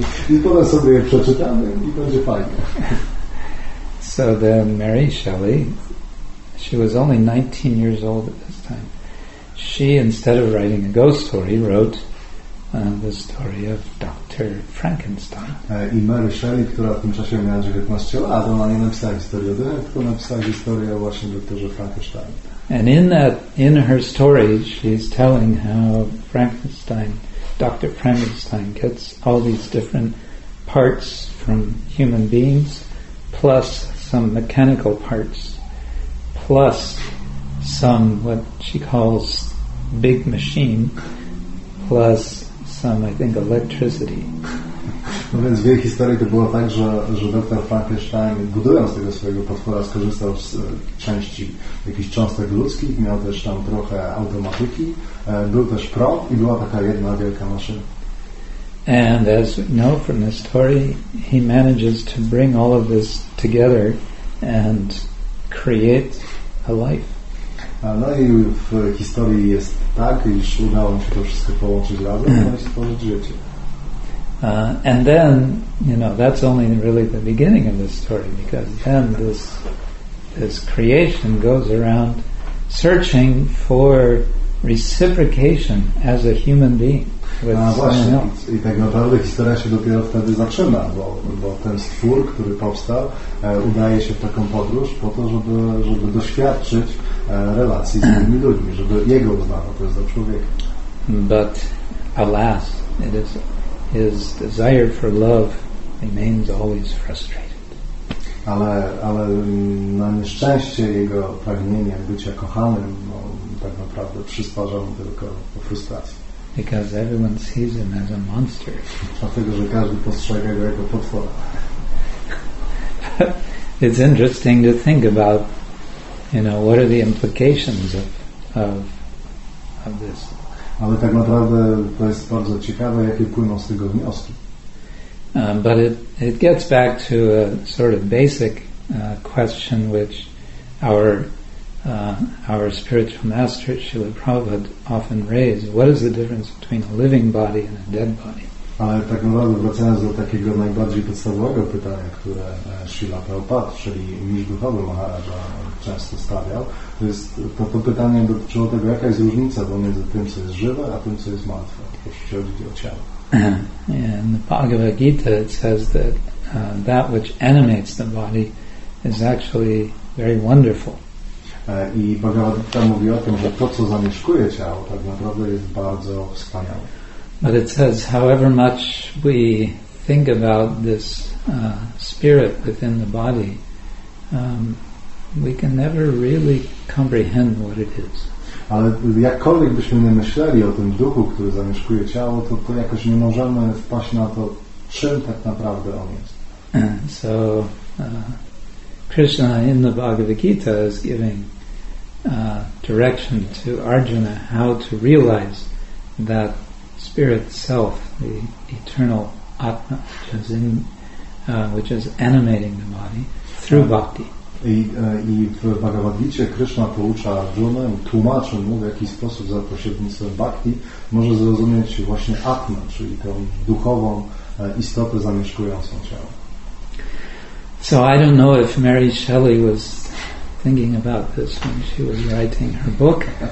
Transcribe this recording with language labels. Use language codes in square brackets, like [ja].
[pl] I potem sobie je przeczytamy i będzie fajnie. [en] So then Mary Shelley, she was only 19 years old at this time. She, instead of writing a ghost story, wrote the story of Dr. Frankenstein. [pl] I Mary Shelley, która w tym czasie miała 19 lat, ona nie napisała historii o duchach, tylko napisała historię właśnie doktorze Frankenstein. [en] And in her story, she's telling how Frankenstein, Dr. Frankenstein, gets all these different parts from human beings, plus some mechanical parts, plus some what she calls big machine, plus some, I think, electricity. [pl] No więc w jej historii to było tak, że dr Frankenstein, budując tego swojego potwora, skorzystał z części jakichś cząstek ludzkich, miał też tam trochę automatyki, był też prąd i była taka jedna wielka maszyna. [en] And as we know from the story, he manages to bring all of this together and create a life. [pl] No i w historii jest tak, iż udało mu się to wszystko połączyć razem i stworzyć życie. [en] And then, you know, that's only really the beginning of this story, because then this creation goes around searching for reciprocation as a human being with someone else. [pl] I tak naprawdę historia się dopiero wtedy zaczyna, bo ten stwór, który powstał, udaje się w taką podróż po to, żeby doświadczyć relacji z innymi ludźmi, żeby jego uznano też za człowieka. [en] But alas, it is his desire for love remains always frustrated. [pl] Ale na nieszczęście jego pragnienie bycia kochanym, no, tak naprawdę przysparza mu tylko frustrację. [en] Because everyone sees him as a monster. [pl] Dlatego, że każdy postrzega go jako potwora. [en] It's interesting to think about, you know, what are the implications of this. [pl] Ale tak naprawdę to jest bardzo ciekawe, jakie płyną z tego wnioski. [en] But it gets back to a sort of basic question which our our spiritual master, Srila Prabhupada, often raised, what is the difference between a living body and a dead body? [pl] Ale tak naprawdę wracając do takiego najbardziej podstawowego pytania, które Srila Prabhupada, czyli mistrz duchowy Maharaja, często stawiał, to jest to pytanie dotyczyło tego, jaka jest różnica pomiędzy tym, co jest żywe, a tym, co jest martwe, jeśli chodzi o ciało. [en] In the Bhagavad Gita it says that that which animates the body is actually very wonderful. [pl] I Bhagavad Gita mówi o tym, że to, co zamieszkuje ciało, tak naprawdę jest bardzo wspaniałe. [en] But it says, however much we think about this spirit within the body, we can never really comprehend what it is. [pl] Ale jakkolwiek byśmy nie myśleli o tym duchu, który zamieszkuje ciało, to jakoś nie możemy wpaść na to, czym tak naprawdę on jest. [en] So, Krishna in the Bhagavad Gita is giving direction to Arjuna how to realize that spirit self, the eternal Atma, which is animating the body, through bhakti. [pl] I w Bhagavad Gita Krishna poucza Arjuna, tłumaczy mu, w jaki sposób za pośrednictwem bhakti może zrozumieć właśnie Atma, czyli tą duchową istotę zamieszkującą ciało. [en] So I don't know if Mary Shelley was thinking about this when she was writing her book.